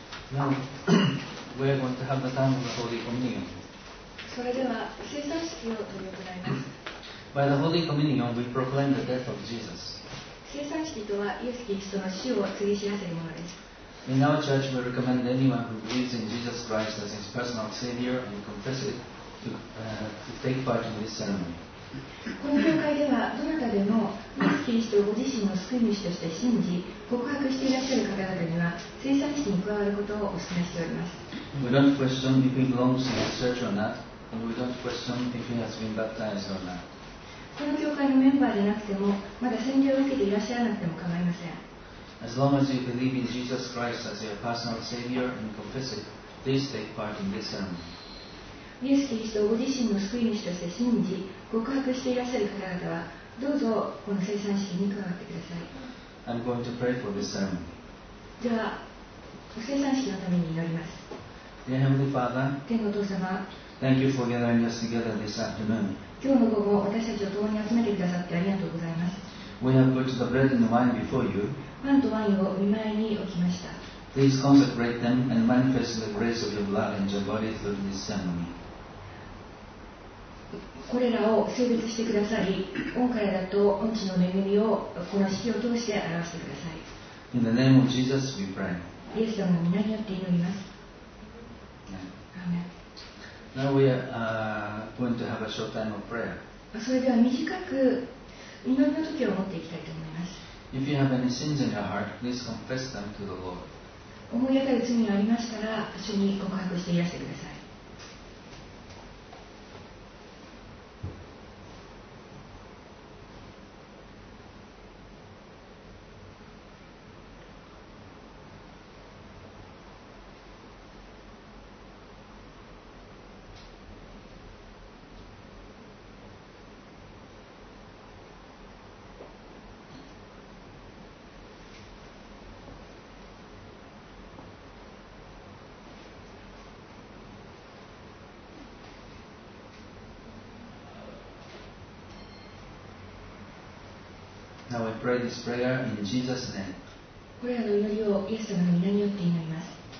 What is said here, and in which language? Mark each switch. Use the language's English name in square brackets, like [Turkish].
[English] Now we are going to have the time of the Holy Communion. [Japanese] それでは聖餐式を取り行います。 [English] By the Holy Communion, we proclaim the death of Jesus. [Japanese] 聖餐式とはイエス・キリストの死を告げ知らせるものです。 [English] In our church, we recommend anyone who believes in Jesus Christ as his personal Savior and confesses it to take part in this ceremony. [Japanese] この教会では、どなたでもイエス・キリストをご自身の救い主として信じ、告白していらっしゃる方々には、聖餐式に加わることをお勧めしております。 [English] We don't question if he belongs to this church or not, and we don't question if he has been baptized or not. [Japanese] この教会のメンバーでなくても、まだ洗礼を受けていらっしゃらなくても構いません。 [English] As long as you believe in Jesus Christ as your personal Savior and confess it, please take part in this ceremony. [Japanese] イエス・キリストをご自身の救い主として信じ、告白していらっしゃる方々は、どうぞこの聖餐式に加わってください。 [English] I'm going to pray for this ceremony. [Japanese] では、お聖餐式のために祈ります。 [English] Dear Heavenly Father, [Japanese] 天のお父様、 [English] Thank you for gathering us together this afternoon. [Japanese] 今日の午後、私たちを共に集めてくださってありがとうございます。 [English] We have put the bread and wine before you. [Japanese] パンとワインを御前に置きました。 [English] Please consecrate them and manifest the grace of your blood and your body through this ceremony. [Japanese] これらを聖別してくださり、御体と御血の恵みをこの式を通して表してください。 [English] In the name of Jesus, we pray. [Japanese] イエス様の御名によって祈ります。 [English] Now we are going to have a short time of prayer. [Japanese] それでは短く祈りの時を持っていきたいと思います。 [English] If you have any sins in your heart, please confess them to the Lord. [Japanese] 思い当たる罪がありましたら、主に告白していらしてください。 [English] Now I pray this prayer in Jesus' name. [Japanese] これらの祈りをイエス様の御名によって祈ります。